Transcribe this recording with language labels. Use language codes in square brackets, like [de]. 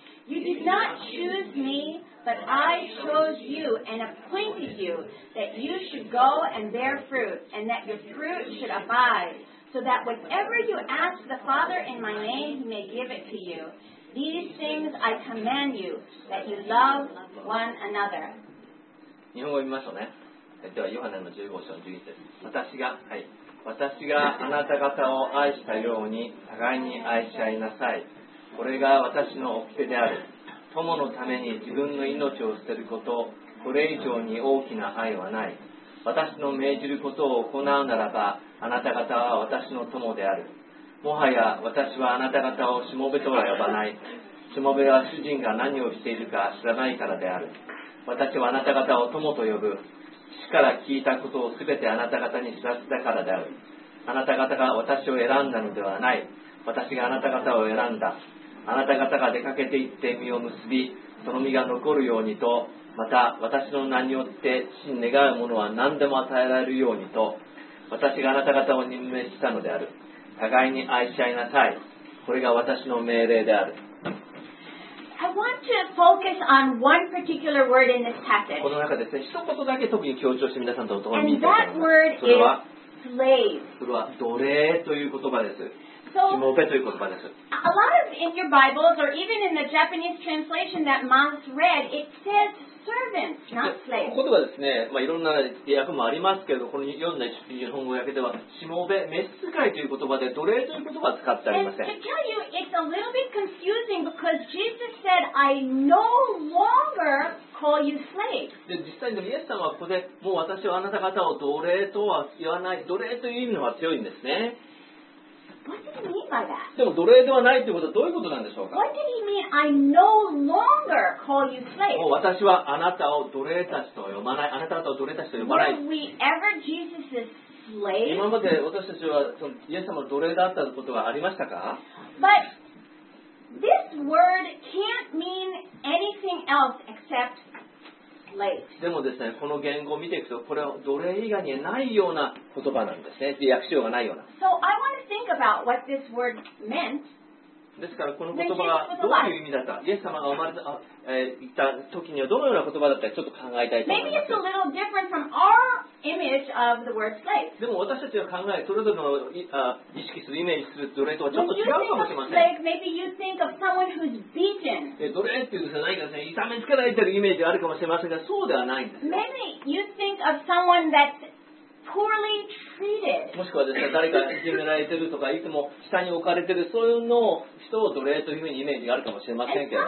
[en] You did not choose me, but I chose you and appointed you that you should go and bear fruit, and that your fruit should abide. So that whatever you ask the Father in my name, he may give it to you. These things I command you, that you love one another. [ja] 日本語を見ましょうね。ではヨハネの15章11節。私があなた方を愛したように互いに愛し合いなさい。これが私の掟である。友のために自分の命を捨てること、これ以上に大きな愛はない。私の命じることを行うならば、あなた方は私の友である。もはや私はあなた方をしもべとは呼ばない。しもべは主人が何をしているか知らないからである。私はあなた方を友と呼ぶ。父から聞いたことをすべてあなた方に知らせたからである。あなた方が私を選んだのではない。私があなた方を選んだ。あなた方が出かけて行って実を結び、その実が残るようにと、また私の名によって父に願うものは何でも与えられるようにと、私があなた方を任命したのである。互いに愛し合いなさい。これが私の命令である。 [en] I want to focus on one particular word in this passage. [ja] この中で、ね、一言だけ特に強調して皆さんとお共に見たいと思います。 [en] And that word is slave. [ja] それは奴隷という言葉です。しもべという言葉です。 [en] A lot of in your Bibles or even in the Japanese translation that Mons read, it says [ja] ここではですね、まあ、いろんな訳もありますけど、この読んだ日本語訳では、しもべ、メス使いという言葉で、奴隷という言葉は使ってありません。 [en] And to tell you, it's a little bit confusing because Jesus said, I no longer call you slaves. [ja] 実際にイエス様はここで、もう私はあなた方を奴隷とは言わない、奴隷という意味の方が強いんですね。 [en] What did he mean by that? [ja] でも奴隷ではないということはどういうことなんでしょうか? [en] What did he mean? I no longer call you slaves. [ja] もう私はあなたを奴隷たちと呼ばない。あなた方を奴隷たちと呼ばない。 [en] Were we ever Jesus's slaves? [ja] 今まで私たちはそのイエス様の奴隷だったことはありましたか? [en] But this word can't mean anything else except slaves. [ja] でもですね、この言語を見ていくと、これは奴隷以外にないような言葉なんですね。訳しようがないような。 [en] So I wantAbout what this word meant. [ja] ですからこの言葉がどういう意味だった、イエス様が生まれた、いた時にはどのような言葉だったかちょっと考えたいと思います。 [en] Maybe it's a little different from our image of the word slave. [ja] でも私たちが考えそれぞれの意識するイメージする奴隷とはちょっと違うかもしれません。 [en] Slave, maybe you think of someone who's beaten. [ja] 奴隷っていうのは何かですね、痛めつけられてるイメージがあるかもしれませんが、そうではないんです。 [en] Maybe you think of someone that's poorly treated. [ja] もしくはですね、誰かいじめられてるとか、いつも下に置かれてる、そういうのを人を奴隷というふうにイメージがあるかもしれませんけども。